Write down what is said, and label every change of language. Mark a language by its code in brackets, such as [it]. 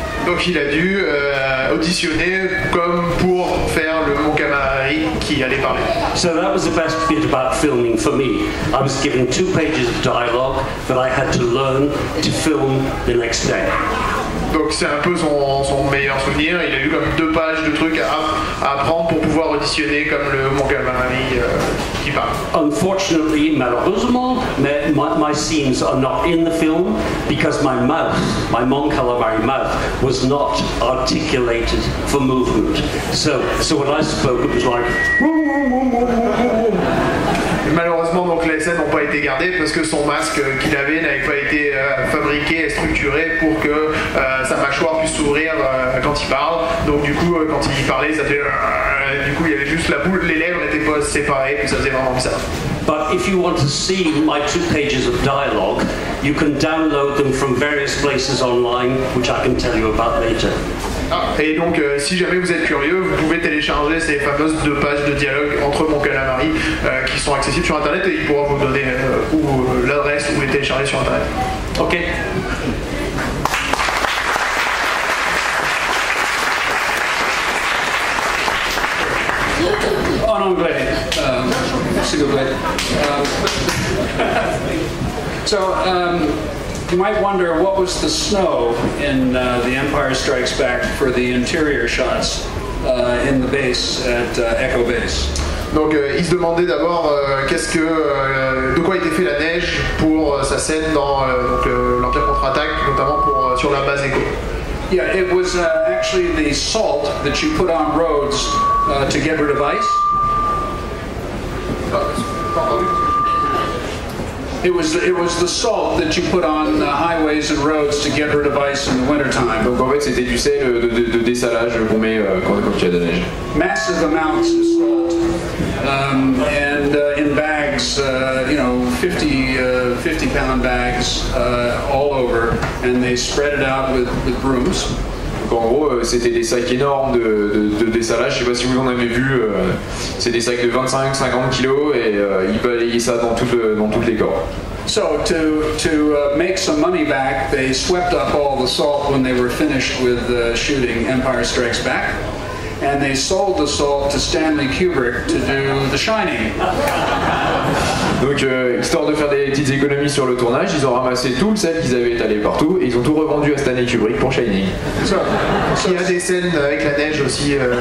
[fr] Donc il a dû auditionner comme pour faire le Mon Calamari qui allait parler. [en] So that was the best bit about filming for me. I was given two pages of dialogue that I had to learn to film the next day. [fr] Donc c'est un peu son meilleur souvenir. Il a eu comme deux pages de trucs à apprendre pour pouvoir auditionner comme le Mon Calamari qui parle. [en] Unfortunately, [fr] malheureusement, [en] my scenes are not in the film because my Mon Calamari mouth, was not articulated for movement. So when I spoke, it was like. [fr] Malheureusement, donc les scènes n'ont pas été gardées parce que son masque qu'il avait n'avait pas été fabriqué et structuré pour que sa mâchoire puisse s'ouvrir quand il parle. Donc du coup, quand il parlait, ça fait du coup il y avait juste la boule, les lèvres n'étaient pas séparées, puis ça faisait vraiment bizarre. [en] But if you want to see my two pages of dialogue, you can download them from various places online, which I can tell you about later. [fr] Ah, et donc, si jamais vous êtes curieux, vous pouvez télécharger ces fameuses deux pages de dialogue entre Mon Calamari qui sont accessibles sur Internet et il pourra vous donner l'adresse où les télécharger sur Internet. Ok. En anglais. S'il vous plaît. [en] You might wonder what was the snow in The Empire Strikes Back for the interior shots in the base at Echo Base. [fr] Donc il se demandait d'abord de quoi était fait la neige pour sa scène dans l'Empire contre-attaque, notamment sur la base Echo. [en] Yeah, it was actually the salt that you put on roads to get rid of ice. It was the salt that you put on the highways and roads to get rid of ice in the winter time. [fr] Donc en fait c'était du sel de dessalage qu'on met quand il y a de neige. [en] Massive amounts of salt and in bags, 50 pound bags all over, and they spread it out with brooms. [fr] En gros, c'était des sacs énormes de dessalage. Je sais pas si vous en avez vu. C'est des sacs de 25-50 kilos et ils balayaient ça dans tout le décor. [en] So to make some money back, they swept up all the salt when they were finished with shooting Empire Strikes Back, and they sold the salt to Stanley Kubrick to do The Shining. [fr] Donc, histoire de faire des petites économies sur le tournage, ils ont ramassé tout le sel qu'ils avaient étalé partout et ils ont tout revendu à Stanley Kubrick pour Shining. So, il y a des scènes avec la neige aussi.